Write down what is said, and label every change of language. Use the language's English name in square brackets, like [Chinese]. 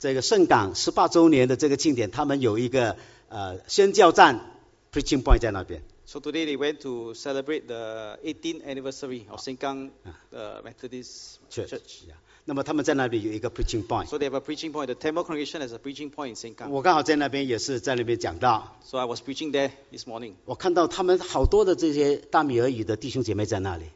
[Chinese] 因为他们今天去参加这个圣港18周年的这个庆典，他们有一个。宣教站 [English] preaching point [Chinese] 在那边。 [English] So today they went to celebrate the 18th anniversary of Sengkang Methodist Church. Church. Yeah. [Chinese] 那么他们在那边有一个 [English] preaching point. So they have a preaching point. The Tamil congregation has a preaching point in Sengkang. [Chinese] 我刚好在那边也是在那边讲到。 [English] So I was preaching there this morning. [Chinese] 我看到他们好多的这些大米俄语的弟兄姐妹在那里。